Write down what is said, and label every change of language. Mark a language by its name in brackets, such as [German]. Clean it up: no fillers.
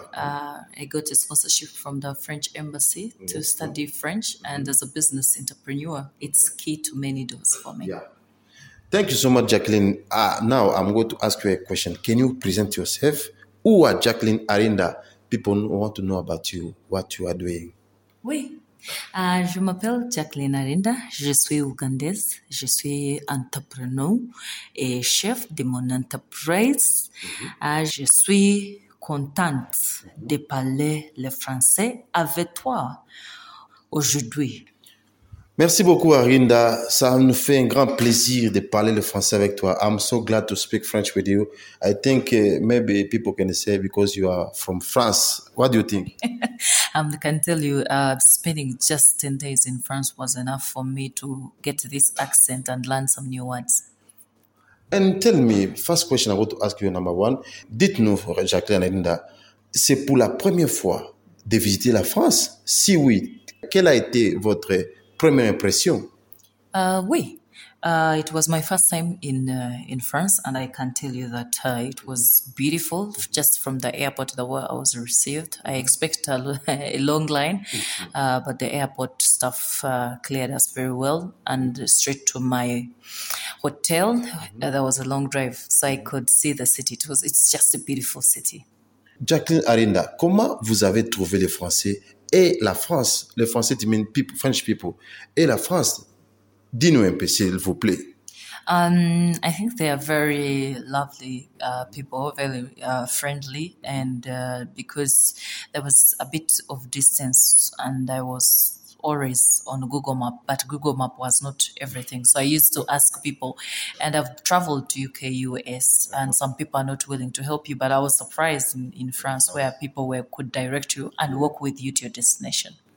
[English] I got a sponsorship from the French embassy to study French, and as a business entrepreneur, it's key to many doors for me. Yeah. Thank you so much, Jacqueline. Now I'm going to ask you a question. Can you present yourself? Who are Jacqueline Arinda? People want to know about you, what you are doing. [French] Oui. Je m'appelle Jacqueline Arinda. Je suis Ougandaise. Je suis entrepreneur et chef de mon entreprise. Mm-hmm. Je suis contente de parler le français avec toi aujourd'hui. Merci beaucoup, Arinda. Ça nous fait un grand plaisir de parler le français avec toi. [English] I'm so glad to speak French with you. I think maybe people can say because you are from France. What do you think? I can tell you, spending just 10 days in France was enough for me to get this accent and learn some new words. And tell me, first question I want to ask you, number one. [French] Dites-nous, Jacqueline Arinda, c'est pour la première fois de visiter la France? Si oui, quelle a été votre première impression? [English] It was my first time in France, and I can tell you that it was beautiful. Just from the airport, the way I was received, I expect a long line, but the airport staff cleared us very well, and straight to my hotel. Mm-hmm. There was a long drive, so I could see the city. It's just a beautiful city. [French] Jacqueline Arinda, comment vous avez trouvé le français? Et la France, le français, tu [English] means people, French people. [French] Et la France, dis-nous un peu, s'il vous plaît. [English] I think they are very lovely people, very friendly. And because there was a bit of distance and I was always on Google Map, but Google Map was not everything. So I used to ask people, and I've traveled to UK, US, and some people are not willing to help you, but I was surprised in France where people could direct you and walk with you to your destination.